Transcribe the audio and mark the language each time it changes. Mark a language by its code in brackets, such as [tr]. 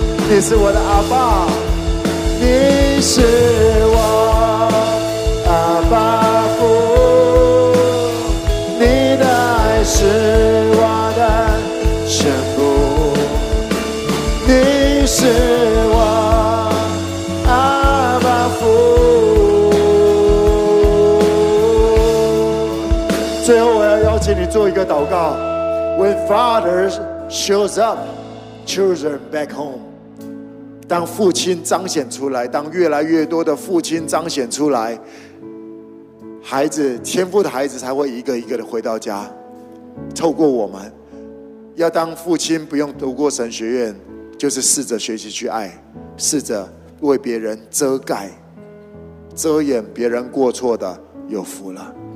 [zh] 你是我的阿爸，你是我阿爸父，你的爱是我的全部，你是我阿爸父。最后，我要邀请你做一个祷告 ： [en] When Father shows up, children back home。 [zh] 当父亲彰显出来，当越来越多的父亲彰显出来，孩子，天父的孩子才会一个一个的回到家。透过我们，要当父亲不用读过神学院，就是试着学习去爱，试着为别人遮盖遮掩别人过错的，有福了。